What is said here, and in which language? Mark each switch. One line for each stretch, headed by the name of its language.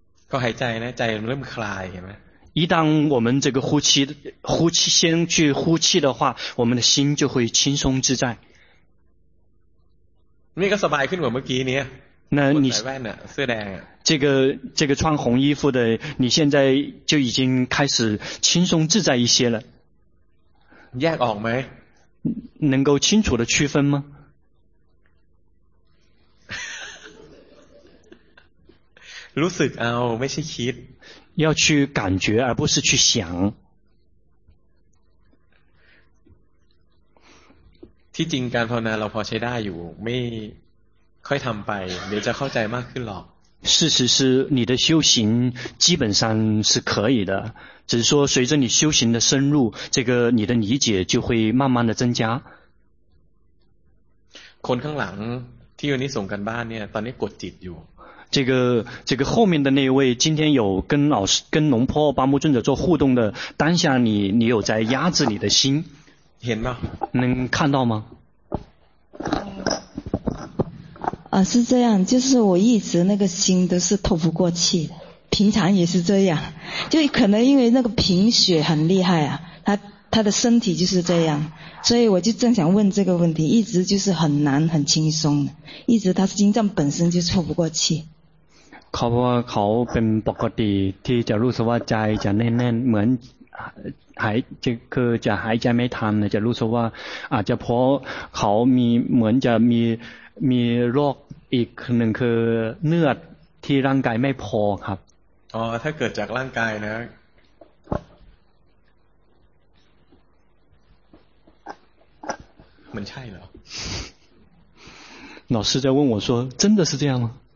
Thai: ก็หายใจนะใจเริ่มคลายเห็นไหม
Chinese: 一旦我们这个呼气先去呼气的话我们的心就会轻松自在
Thai: นี่ก็สบายขึ้นกว่าเมื่อกี้เนี่ย นั่น นะเสื้อแดง
Chinese: 这个穿红衣服的你现在就已经开始轻松自在一些了
Thai: แยกออกไหม
Chinese: 能够清楚的区分吗
Thai: รู้สึกเอาไม่ใช่คิด
Chinese: 要去感觉而不是去想
Thai: ที่จริงการภาวนาเราพอใช้ได้อยู่ไม่ค่อยทำไปเดี๋ยวจะเข้าใจมากขึ้นหรอก
Chinese: 事实是你的修行基本上是可以的只是说随着你修行的深入这个你的理解就会慢慢的增加
Thai: คนข้างหลังที่อยู่นี่ส่งกันบ้านเนี่ยตอนนี้กดจิตอยู่
Chinese: 这个后面的那位今天有跟老师跟龙坡巴木尊者做互动的当下你有在压制你的心
Thai: เห็นไหม
Chinese: 能看到吗是这样就是我一直那个心都是透不过气平常也是这样就可能因为那个贫血很厉害啊他的身体就是这样所以我就正想问这个问题一直就是很难很轻松一直他心脏本身就透不过气
Thai: เขาเป็นปกติที่จะรู้สึกว่าใจจะแน่นๆเหมือนหายคือจะหายใจไม่ทันจะรู้สึกว่าอาจจะเพราะเขามีเหมือนจะมีโรคอีกหนึ่งคือเนื้อที่ร่างกายไม่พอครับ
Chinese: 哦，它
Thai: เกิดจาก ร่างกาย นะมันใช่เหรอ
Chinese: 老师在问我说真的是这样吗